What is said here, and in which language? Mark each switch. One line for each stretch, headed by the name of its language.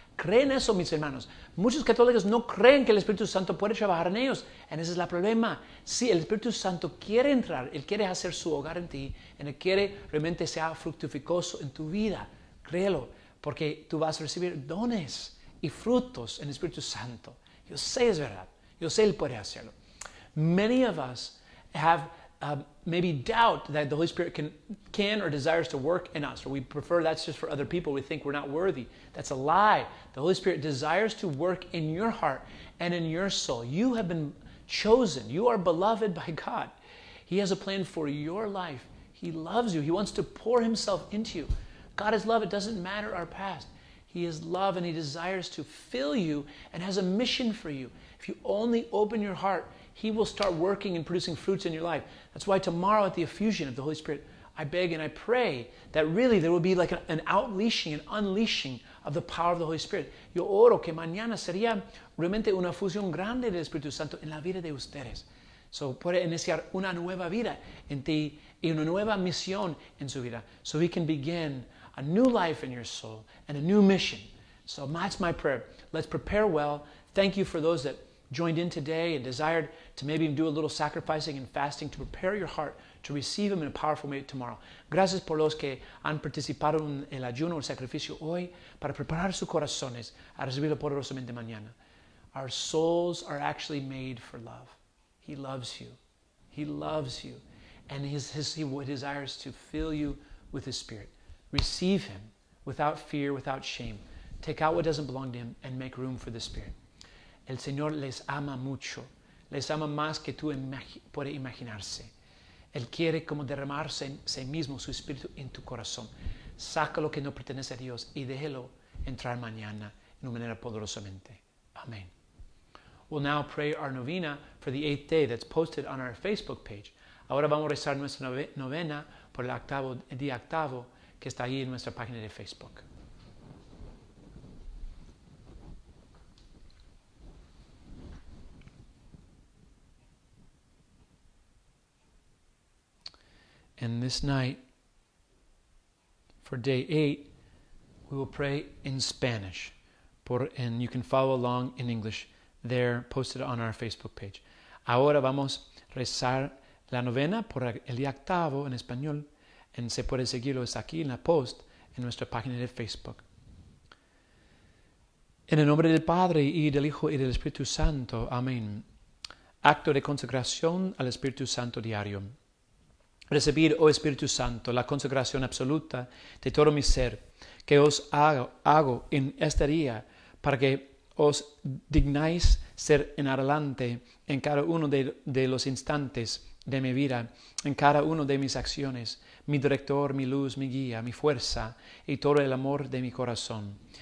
Spanish: ¿Creen eso, mis hermanos? Muchos católicos no creen que el Espíritu Santo puede trabajar en ellos. And ese es el problema. Sí, el Espíritu Santo quiere entrar. Él quiere hacer su hogar en ti. Él quiere realmente sea fructificoso en tu vida. Créelo. Porque tú vas a recibir dones y frutos en el Espíritu Santo. Yo sé, es verdad. Yo sé, él puede hacerlo.
English: Many of us have maybe doubt that the Holy Spirit can or desires to work in us, or we prefer that's just for other people. We think we're not worthy. That's a lie. The Holy Spirit desires to work in your heart and in your soul. You have been chosen. You are beloved by God. He has a plan for your life. He loves you. He wants to pour himself into you. God is love. It doesn't matter our past. He is love, and he desires to fill you and has a mission for you. If you only open your heart, he will start working and producing fruits in your life. That's why tomorrow at the effusion of the Holy Spirit, I beg and I pray that really there will be like an outleashing, an unleashing of the power of the Holy Spirit.
Spanish: Yo oro que mañana sería realmente una fusión grande del Espíritu Santo en la vida de ustedes. So puede iniciar una nueva vida en ti y una nueva misión en su vida.
English: So he can begin a new life in your soul and a new mission. So that's my prayer. Let's prepare well. Thank you for those that joined in today and desired to maybe even do a little sacrificing and fasting to prepare your heart to receive him in a powerful way tomorrow.
Spanish: Gracias por los que han participado en el ayuno o el sacrificio hoy para preparar sus corazones a recibirlo poderosamente mañana.
English: Our souls are actually made for love. He loves you. He loves you. And he desires to fill you with his Spirit. Receive him without fear, without shame. Take out what doesn't belong to him and make room for the Spirit.
Spanish: El Señor les ama mucho. Les ama más que tú puedes imaginarse. Él quiere como derramarse en sí mismo, su Espíritu, en tu corazón. Saca lo que no pertenece a Dios y déjelo entrar mañana en una manera poderosamente. Amén.
English: We'll now pray our novena for the eighth day that's posted on our Facebook page.
Spanish: Ahora vamos a rezar nuestra novena por el día octavo que está ahí en nuestra página de Facebook.
English: And this night, For day 8, we will pray in Spanish. And you can follow along in English there, posted on our Facebook page.
Spanish: Ahora vamos a rezar la novena por el día 8 en español. Y se puede seguirlo aquí en la post en nuestra página de Facebook. En el nombre del Padre, y del Hijo, y del Espíritu Santo. Amén. Acto de consagración al Espíritu Santo diario. Recibid, oh Espíritu Santo, la consagración absoluta de todo mi ser, que os hago en este día, para que os dignáis ser en adelante en cada uno de los instantes de mi vida, en cada uno de mis acciones, mi director, mi luz, mi guía, mi fuerza y todo el amor de mi corazón.